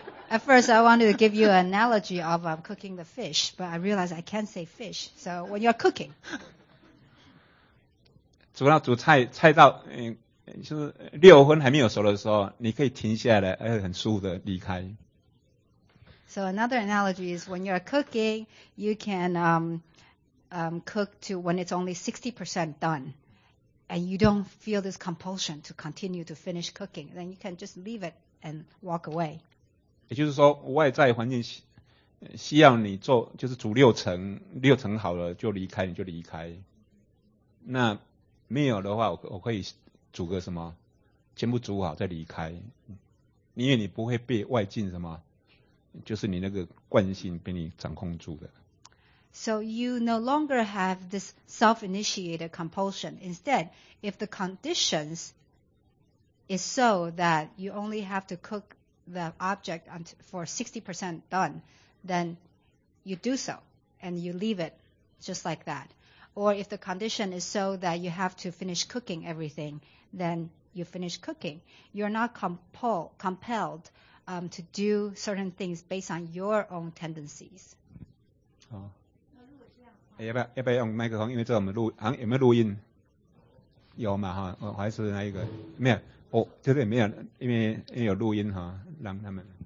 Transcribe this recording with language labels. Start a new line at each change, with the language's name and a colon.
English: At first, I wanted to give you an analogy of cooking the fish, but I realized I can't say fish. So when you're cooking.
Chinese: 煮菜到就是六分还没有熟的时候，你可以停下来，而且很舒服的离开。
English: So another analogy is when you're cooking, you can cook to when it's only 60% done, and you don't feel this compulsion to continue to finish cooking. Then you can just leave it and walk away.
Chinese: 也就是说，外在环境需要你做，就是煮六成好了就离开，你就离开。那没有的话，我可以煮个什么，全部煮好再离开，因为你不会被外境什么，就是你那个惯性被你掌控住的。
English: So you no longer have this self-initiated compulsion. Instead, if the conditions is so that you only have to cook the object for 60% done, then you do so and you leave it just like that. Or if the condition is so that you have to finish cooking everything, then you finish cooking. You're not compelled to do certain things based on your own tendencies.
Chinese: 好、哦欸，要不要用麦克风？因为这我们录，好像有没有录音？有嘛哈？我还是那一个没有，哦，对对，没有，因为有录音哈，让他们。